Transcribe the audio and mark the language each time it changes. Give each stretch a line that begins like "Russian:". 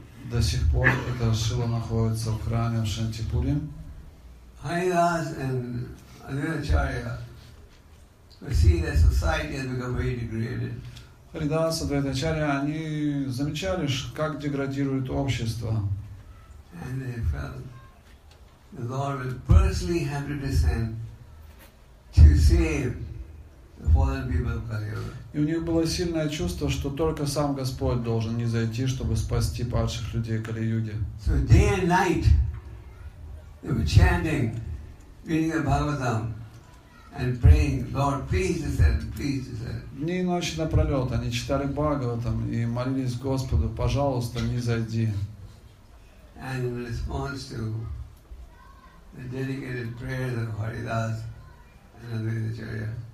Russian: До сих пор эта шила находится в храме в Шантипуре.
English: Haridas and Advaitacharya see that society has become very degraded.
Russian: Haridas and Advaitacharya, они замечали, как деградирует общество.
English: And they felt the Lord would personally have to descend to save.
Russian: И у них было сильное чувство, что только сам Господь должен не зайти, чтобы спасти падших людей Кали-юги.
English: So day and night they were chanting, reading the Bhagavatam and praying, Lord, please descend, please descend.
Russian: Дни и ночи напролет они читали Бхагаватам и молились Господу, пожалуйста, не зайди.
English: And in response to the dedicated prayers of Haridas and Advaitacharya,